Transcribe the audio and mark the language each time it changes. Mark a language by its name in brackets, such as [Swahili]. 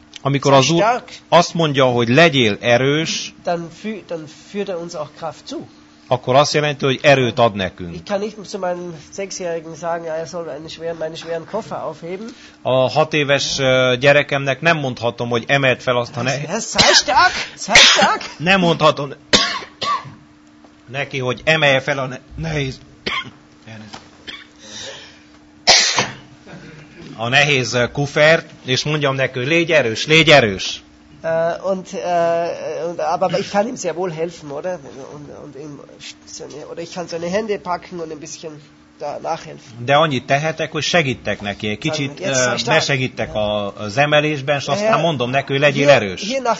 [Hungarian] amikor az Úr azt mondja, hogy legyél erős, [German] dann führt er uns auch Kraft zu. [Hungarian] Akkor azt jelenti, hogy erőt ad nekünk. [German] Ich kann nicht zu meinem 6-jährigen sagen, er soll meinen schweren Koffer aufheben. [Hungarian] A 6 éves gyerekemnek nem mondhatom, hogy emeld fel azt a [German] sei stark. [Hungarian] Nem mondhatom neki, hogy emelje fel a nehéz. A nehéz kufert, és mondjam neki, légy erős. Aber ich kann ihm sehr wohl helfen, oder? Und ihm, oder ich kann seine Hände packen und ein bisschen De annyit tehetek, hogy segítek neki. Egy kicsit besegítek az emelésben, és aztán mondom neki, hogy legyél erős.